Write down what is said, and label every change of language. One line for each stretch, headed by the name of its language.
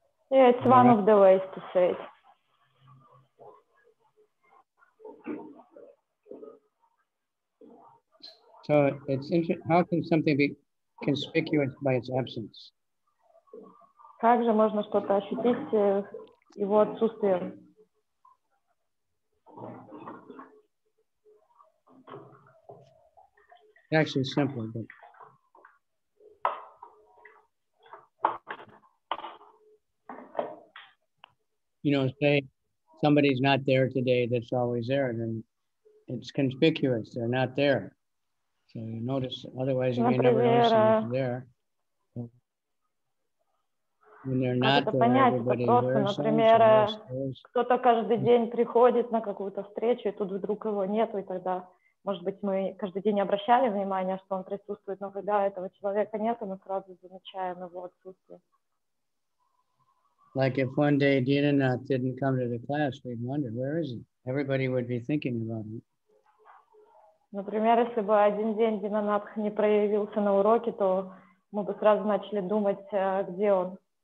English: Yeah, it's one of the ways to say it. So it's interesting. How can something be conspicuous by its absence?
Russian: Как же можно что-то ощутить его отсутствием?
English: Actually, it's simple, but you know, say somebody's not there today, that's always there, then it's conspicuous, they're not there. So you notice, otherwise, you never notice somebody's there. When they're not there, everybody wears
Russian: them, кто-то каждый день приходит на какую-то встречу, и тут вдруг его нету, и тогда. Может быть, мы каждый день обращали внимание, что он присутствует, но когда этого человека нет, мы сразу замечаем его отсутствие.
English: Like if one day Dinanath didn't come to the class, we'd wonder, where is he? Everybody would be thinking about him.
Russian: Например, если бы один день Динанатх не проявился на уроке, то мы бы сразу начали думать, где он.